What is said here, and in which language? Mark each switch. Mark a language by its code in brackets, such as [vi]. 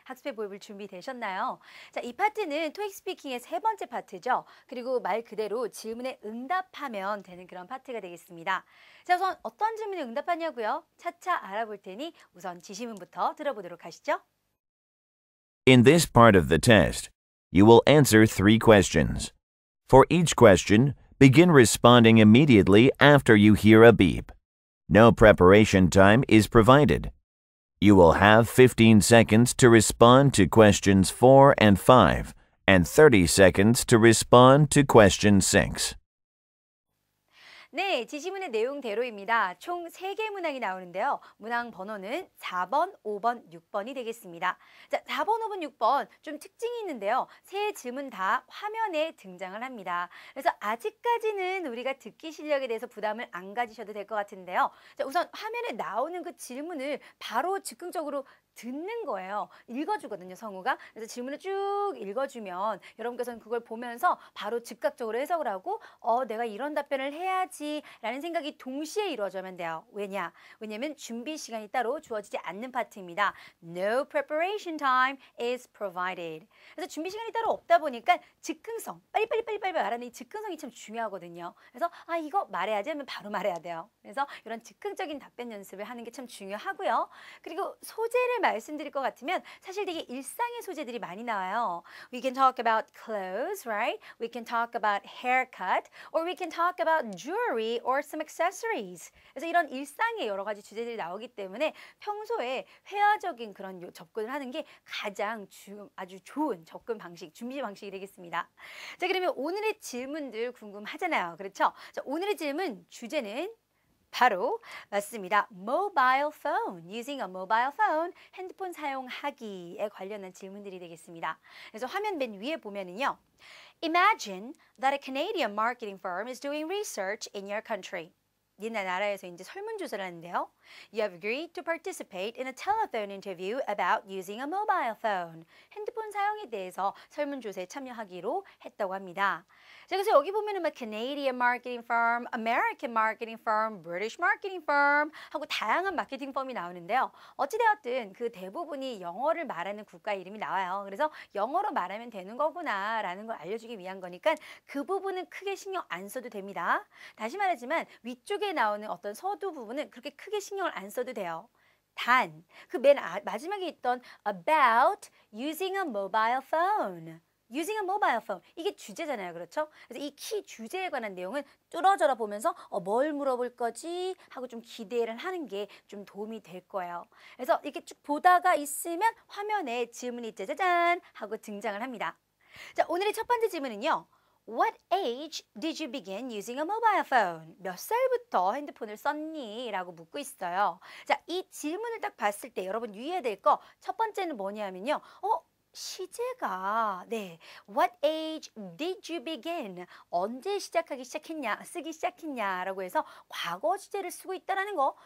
[ko] 학습해 보입을 준비되셨나요? 자, 이 파트는 토익스피킹의 세 번째 파트죠. 그리고 말 그대로 질문에 응답하면 되는 그런 파트가 되겠습니다. 자, 우선 어떤 질문에 응답하냐고요? 차차 알아볼 테니 우선 지시문부터 들어보도록 하시죠. [en] In this part of the test, you will answer three questions. For each question, begin responding immediately after you hear a beep. No preparation time is provided. You will have 15 seconds to respond to questions 4 and 5, and 30 seconds to respond to question 6. [ko] 네, 지시문의 내용대로입니다. 총 3개 문항이 나오는데요. 문항 번호는 4번, 5번, 6번이 되겠습니다. 자, 4번, 5번, 6번 좀 특징이 있는데요. 세 질문 다 화면에 등장을 합니다. 그래서 아직까지는 우리가 듣기 실력에 대해서 부담을 안 가지셔도 될 것 같은데요. 자, 우선 화면에 나오는 그 질문을 바로 즉흥적으로 듣는 거예요. 읽어주거든요, 성우가. 그래서 질문을 쭉 읽어주면 여러분께서는 그걸 보면서 바로 즉각적으로 해석을 하고 내가 이런 답변을 해야지 라는 생각이 동시에 이루어지면 돼요. 왜냐? 왜냐면 준비 시간이 따로 주어지지 않는 파트입니다. [en] No preparation time is provided. [ko] 그래서 준비 시간이 따로 없다 보니까 즉흥성, 빨리 말하는 이 즉흥성이 참 중요하거든요. 그래서 이거 말해야지 하면 바로 말해야 돼요. 그래서 이런 즉흥적인 답변 연습을 하는 게 참 중요하고요. 그리고 소재 말씀드릴 것 같으면 사실 되게 일상의 소재들이 많이 나와요. [en] We can talk about clothes, right? We can talk about haircut, or we can talk about jewelry or some accessories. [ko] 그래서 이런 일상의 여러 가지 주제들이 나오기 때문에 평소에 회화적인 그런 접근을 하는 게 가장 아주 좋은 접근 방식, 준비 방식이 되겠습니다. 자, 그러면 오늘의 질문들 궁금하잖아요, 그렇죠? 자, 오늘의 질문 주제는 바로 맞습니다. [en] Mobile phone, using a mobile phone, [ko] 핸드폰 사용하기에 관련한 질문들이 되겠습니다. 그래서 화면 맨 위에 보면은요. [en] Imagine that a Canadian marketing firm is doing research in your country. [ko] 니네 나라에서 이제 설문조사를 하는데요. [en] You have agreed to participate in a telephone interview about using a mobile phone. [ko] 핸드폰 사용에 대해서 설문조사에 참여하기로 했다고 합니다. 자, 그래서 여기 보면은 막 [en] Canadian marketing firm, American marketing firm, [ko] British marketing firm 하고 다양한 마케팅 펌이 나오는데요. 어찌되었든 그 대부분이 영어를 말하는 국가 이름이 나와요. 그래서 영어로 말하면 되는 거구나라는 걸 알려주기 위한 거니까 그 부분은 크게 신경 안 써도 됩니다. 다시 말하지만 위쪽에 나오는 어떤 서두 부분은 그렇게 크게 신경을 안 써도 돼요. 단, 그 맨 마지막에 있던 [en] about using a mobile phone. [ko] Using a mobile phone. 이게 주제잖아요. 그렇죠? 그래서 이 키 주제에 관한 내용은 뚫어져라 보면서 뭘 물어볼 거지? 하고 좀 기대를 하는 게 좀 도움이 될 거예요. 그래서 이렇게 쭉 보다가 있으면 화면에 질문이 짜자잔 하고 등장을 합니다. 자, 오늘의 첫 번째 질문은요. [en] What age did you begin using a mobile phone? [ko] 몇 살부터 핸드폰을 썼니? 라고 묻고 있어요. 자, 이 질문을 딱 봤을 때 여러분 유의해야 될 거 첫 번째는 뭐냐면요. 시제가 네, [en] What age did you begin? [ko] 언제 시작하기 시작했냐, 쓰기 시작했냐 라고 해서 과거 시제를 쓰고 있다는 거.